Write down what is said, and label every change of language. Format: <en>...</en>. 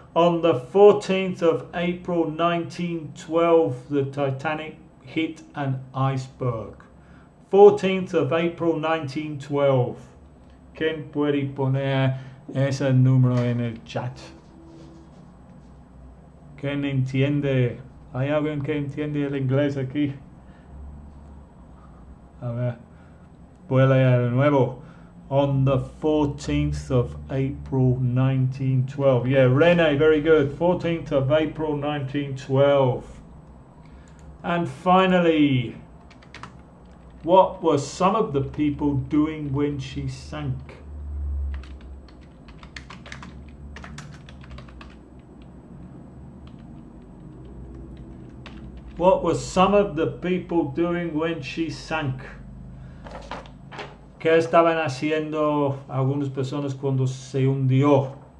<en>On the 14th of April 1912, the Titanic hit an iceberg. 14th of April 1912.</en> <es>¿Quién puede poner ese número en el chat? ¿Quién entiende? ¿Hay alguien que entiende el inglés aquí? A ver, voy a leer de nuevo.</es> <en>On the 14th of April 1912. Yeah, Rene, very good. 14th of April 1912. And finally, what were some of the people doing when she sank? What were some of the people doing when she sank?</en> <es>¿Qué estaban haciendo algunas personas cuando se hundió?</es>